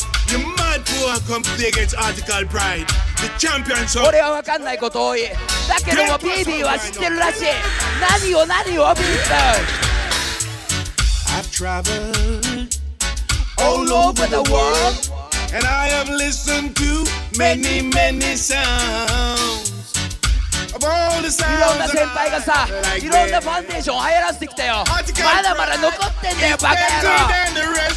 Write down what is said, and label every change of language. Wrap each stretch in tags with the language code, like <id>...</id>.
<en>You mad poor come play against Article Pride. The champion's up.</en> <ja>俺は分かんないこと多い。だけども BB は知ってるらしい。何を何を BB さん。</ja> <en>I've traveled all over the world. And I have listened to many, many sounds. Of all the sounds</en> <ja>いろんな先輩がさ、いろんなファンデーションを流行らせてきたよ。まだまだ残ってんだよ、バカ野郎。</ja>